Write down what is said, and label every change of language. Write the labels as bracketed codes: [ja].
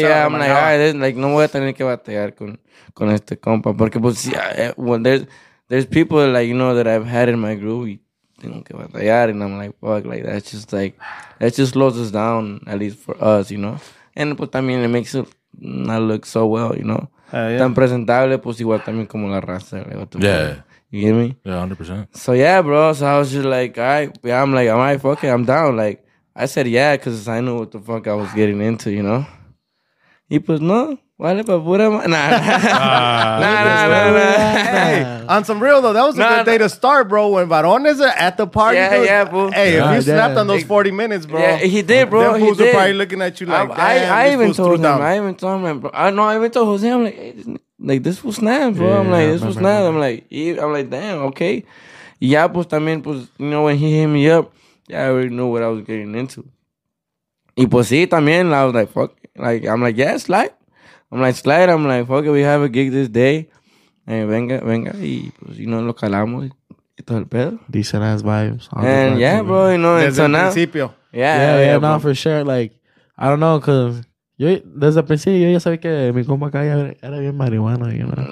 [en] Yeah, I'm like, all right, like, [es] no voy a tener que batallar con este compa. Porque, pues, [en] there's people, like, you know, that I've had in my group [es] y tengo que batallar. [en] And I'm like, fuck, like, that just slows us down, at least for us, you know. And, [es] pues, también [en] it makes it not look so well, you know. Yeah. [es] Tan presentable, pues, igual también como la raza. [en] You get me? Yeah, 100%. So, yeah, bro. So, I was just like, all right. Yeah, I'm like, all right, fuck it. I'm down. Like, I said, yeah, because I knew what the fuck I was getting into, you know? [es] He pues, no. Vale, pa' pura ma... Nah. Nah. [en] Hey, on some real, though, that was a good day to start, bro. When Varones are at the party. Yeah, dude, yeah, bro. Hey, yeah, if you snapped on those 40 minutes, bro. Yeah, he did, bro. Them fools are probably looking at you like, I even told Jose, I'm like, hey, like, this was snap, bro. Yeah, I'm like, this was snap. I'm like, damn, okay. Yeah, [es] pues, también, pues, [en] you know, when he hit me up, yeah, I already knew what I was getting into. [es] Y pues, sí, también, [en] I was like, fuck. Like, I'm like, yeah, slide. I'm like, slide. I'm like, fuck it, we have a gig this day. [es] And venga, y pues, [en] you know, [es] lo calamos. Y todo el pedo. [en] Decent ass vibes. And yeah, bro, you know, [es] desde [en] so [es] el principio. [en] Yeah, no, for sure. Like, I don't know, because... [es] Yo, desde el principio, yo ya sabía que mi compa acá era bien marihuana, [en] you know.